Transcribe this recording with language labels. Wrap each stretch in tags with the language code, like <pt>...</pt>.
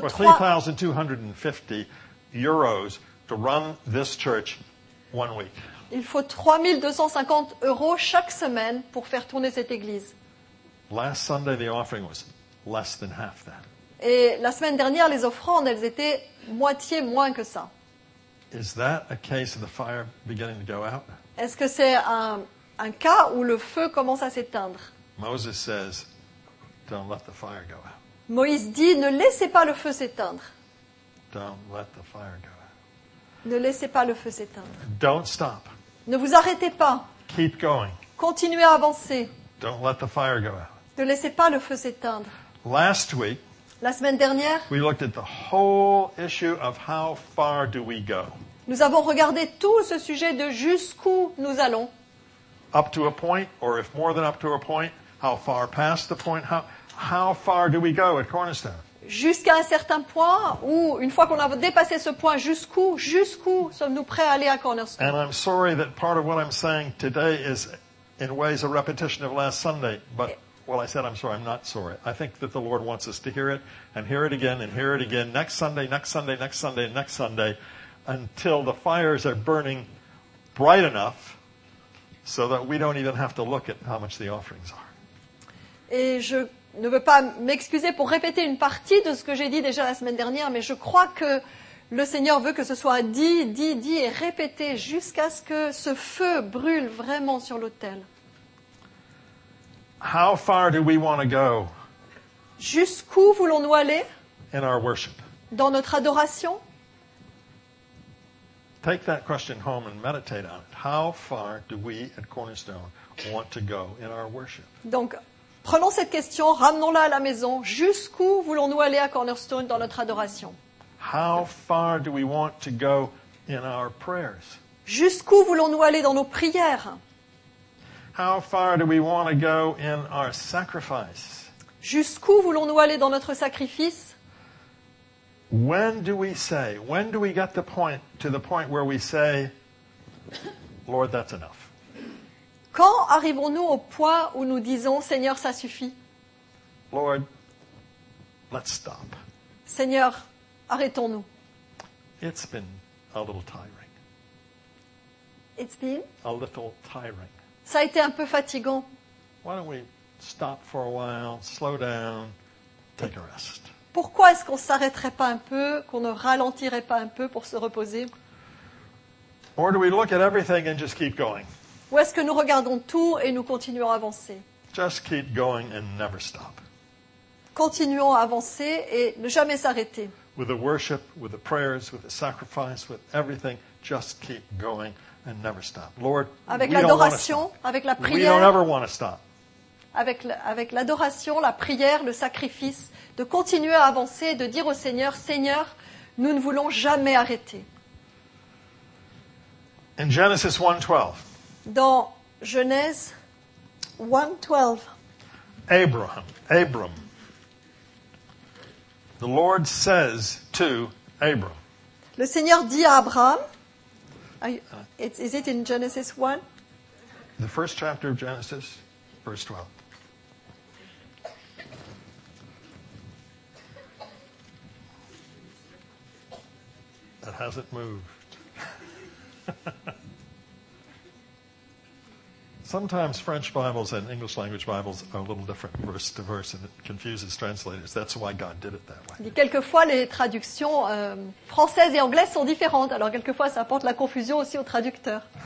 <en>3,250 euros to run this church one week.</en> <fr>Il faut 3,250 euros chaque semaine pour faire tourner cette église.</fr> <en>Last Sunday, the offering was less than half that.</en> <fr>Et la semaine dernière, les offrandes, elles étaient moitié moins que ça.</fr> <en>Is that a case of the fire beginning to go out?</en> <fr>Est-ce que c'est un cas où le feu commence à s'éteindre?</fr> <en>Moses says, don't let the fire go out.</en> <fr>Moïse dit, ne laissez pas le feu s'éteindre.</fr> <en>Don't let the fire go out.</en> <fr>Ne laissez pas le feu s'éteindre.</fr> <en>Don't stop.</en> <fr>Ne vous arrêtez pas.</fr> <en>Keep going.</en> <fr>Continuez à avancer.</fr> <en>Don't let the fire go out.</en> <fr>Ne laissez pas le feu s'éteindre.</fr> <en>Last week,</en> <fr>la semaine dernière,</fr> <en>we looked at the whole issue of how far do we go.</en> <fr>Nous avons regardé tout ce sujet de jusqu'où nous allons.</fr> <en>Up to a point, or if more than up to a point, how far past the point, how far do we go at Cornerstone?</en> <fr>Jusqu'à un certain point, ou une fois qu'on a dépassé ce point, jusqu'où sommes-nous prêts à aller à Cornerstone?</fr> <en>And I'm sorry that part of what I'm saying today is in ways a repetition of last Sunday, but well, I said I'm sorry, I'm not sorry. I think that the Lord wants us to hear it and hear it again and hear it again next Sunday, next Sunday, next Sunday, next Sunday, until the fires are burning bright enough so that we don't even have to look at how much the offerings are.</en> <fr>Et je ne veux pas m'excuser pour répéter une partie de ce que j'ai dit déjà la semaine dernière, mais je crois que le Seigneur veut que ce soit dit et répété jusqu'à ce que ce feu brûle vraiment sur l'autel.</fr> <en>How far do we want to go?</en> <fr>Jusqu'où voulons-nous aller?</fr> <en>In our worship.</en> <fr>Dans notre adoration?</fr> <en>Take that question home and meditate on it. How far do we at Cornerstone want to go in our worship?</en> <fr>Donc, prenons cette question, ramenons-la à la maison. Jusqu'où voulons-nous aller à Cornerstone dans notre adoration?</fr> <en>How far do we want to go in our prayers?</en> <fr>Jusqu'où voulons-nous aller dans nos prières?</fr> <en>How far do we want to go in our sacrifice?</en> <fr>Jusqu'où voulons-nous aller dans notre sacrifice?</fr> <en>When do we say, when do we get to the point where we say, Lord, that's enough?</en> <fr>Quand arrivons-nous au point où nous disons, Seigneur, ça suffit?</fr> <en>Lord, let's stop.</en> <fr>Seigneur, arrêtons-nous.</fr> <en>It's been a little tiring. It's been? A little tiring.</en> <fr>Ça a été un peu fatigant.</fr> <en>Why don't we stop for a while, slow down, take a rest?</en> <fr>Pourquoi est-ce qu'on ne s'arrêterait pas un peu, qu'on ne ralentirait pas un peu pour se reposer?</fr> <en>Or do we look at everything and just keep going?</en> <fr>Ou est-ce que nous regardons tout et nous continuons à avancer?</fr> <en>Just keep going and never stop.</en> <fr>Continuons à avancer et ne jamais s'arrêter.</fr> <en>With the worship, with the prayers, with the sacrifice, with everything, just keep going. And never stop. Lord,</en> <fr>avec l'adoration, avec la prière,</fr> <en>we don't ever want to stop.</en> <fr>Avec l'adoration, la prière, le sacrifice, de continuer à avancer, de dire au Seigneur, Seigneur, nous ne voulons jamais arrêter.</fr> <en>In Genesis 1:12.</en> <fr>Dans Genèse 1:12.</fr> <en>Abram. The Lord says to Abram.</en> <fr>Le Seigneur dit à Abraham.</fr> <en>Is it in Genesis 1? The first chapter of Genesis, verse 12. That hasn't moved. Sometimes French Bibles and English language Bibles are a little different verse to verse, and it confuses translators. That's why God did it that way.</en> <fr>Quelquefois, les traductions françaises et anglaises sont différentes. Alors, quelquefois, ça apporte la confusion aussi aux traducteurs.</fr>